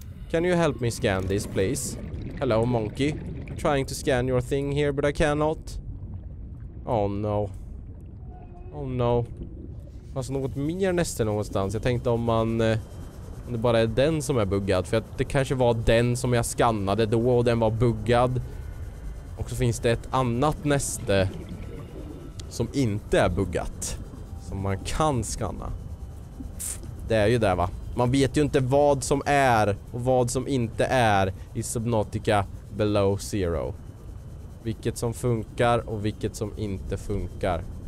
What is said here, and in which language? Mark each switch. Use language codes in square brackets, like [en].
[en] Can you help me scan this, please? Hello, monkey. Trying to scan your thing here, but I cannot. Oh, no. Oh, no. [sv] Fast något mer näste någonstans. Jag tänkte om man... om det bara är den som är buggad. För att det kanske var den som jag scannade då och den var buggad. Och så finns det ett annat näste... som inte är buggat. Som man kan scanna. Det är ju där, va. Man vet ju inte vad som är. Och vad som inte är. I Subnautica Below Zero. Vilket som funkar. Och vilket som inte funkar.